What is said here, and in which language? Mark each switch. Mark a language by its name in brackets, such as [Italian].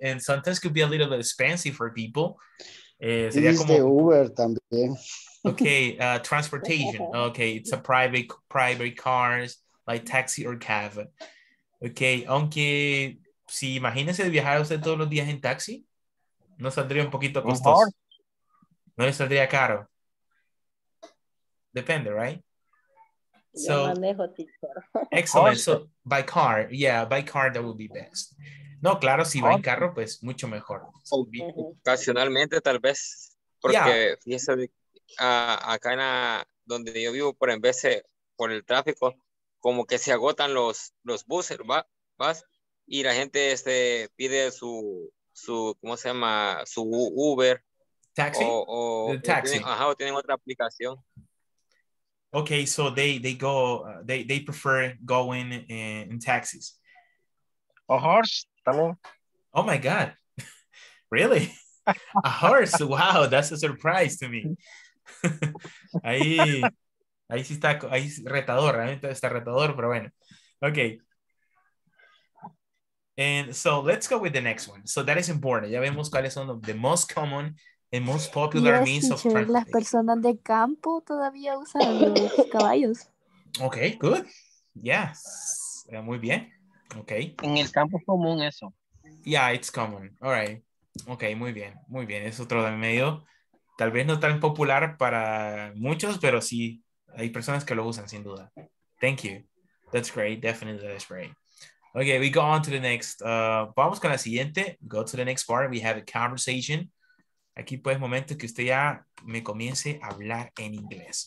[English] And sometimes could be a little bit expensive for people. [Spanish] Sería como, the Uber también. [English] Okay, transportation. Okay, it's a private cars, like taxi or cab. [Spanish] Okay, aunque si imagínese de viajar usted todos los días en taxi, ¿no saldría un poquito costoso? ¿No le saldría caro? Depende, right? So, manejo, tipo. [English] Excellent. So, by car. Yeah, by car, that would be best. [Spanish] No, claro, si va en carro, pues mucho mejor. Ocasionalmente, tal vez. Porque fíjese, acá en donde yo vivo, por en vez de por el tráfico, como que se agotan los buses, vas, y la gente pide su, ¿cómo se llama? Su Uber. Taxi. O taxi. O tienen otra aplicación. [English] Ok, so they prefer going in taxis. A horse. Hello. Oh my God, really? A horse, wow, that's a surprise to me. [Spanish] ahí sí está, ahí es retador, realmente está retador, pero bueno. [English] Okay. And so let's go with the next one. So that is important. [Spanish] Ya vemos cuáles son [English] the most common and most popular means of transportation. [Spanish] Las personas de campo todavía usan los caballos. [English] Okay, good. Yes, [Spanish] muy bien. [English] Okay. [Spanish] En el campo es común eso. [English] Yeah, it's common. All right. Okay, [Spanish] muy bien. Muy bien. Es otro de medio. Tal vez no tan popular para muchos, pero sí hay personas que lo usan sin duda. [English] Thank you. That's great. Definitely that's great. Okay, we go on to the next. [Spanish] Vamos con la siguiente. [English] Go to the next part. We have a conversation. [Spanish] Aquí pues momento que usted ya me comience a hablar en inglés.